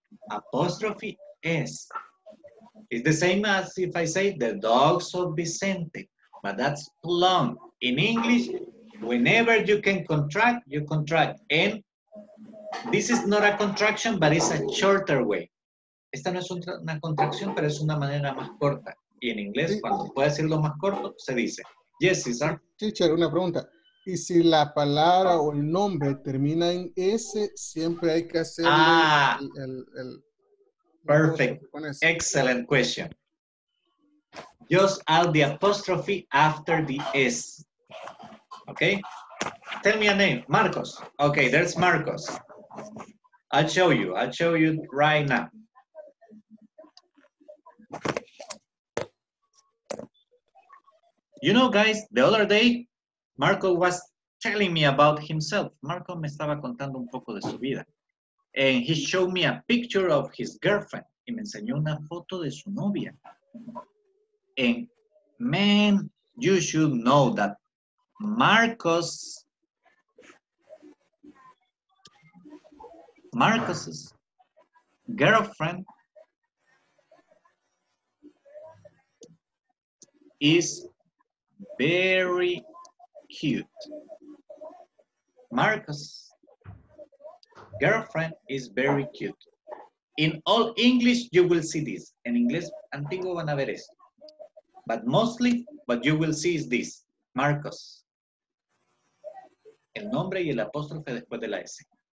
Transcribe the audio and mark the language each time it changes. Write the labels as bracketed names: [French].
[English] Apostrophe S. It's the same as if I say the dogs of Vicente. But that's too long. In English, whenever you can contract, you contract. And this is not a contraction, but it's a shorter way. [Spanish] Esta no es una contracción, pero es una manera más corta. Y en inglés, cuando puede decirlo más corto, se dice. [English] Yes, Cesar. [Spanish] Teacher, una pregunta. ¿Y si la palabra o el nombre termina en S, siempre hay que hacer el [English] perfect. Excellent question. Just add the apostrophe after the S. Okay? Tell me a name. Marcos. Okay, there's Marcos. I'll show you. I'll show you right now. You know, guys, the other day, Marco was telling me about himself. [Spanish] Marco me estaba contando un poco de su vida. [English] And he showed me a picture of his girlfriend. [Spanish] Y me enseñó una foto de su novia. [English] And man, you should know that Marcos's girlfriend is very cute. Marcos's girlfriend is very cute. In all English, you will see this. [Spanish] En inglés antiguo van a ver esto. [English] But mostly, what you will see is this. Marcos. [Spanish] El nombre y el apóstrofe después de la S.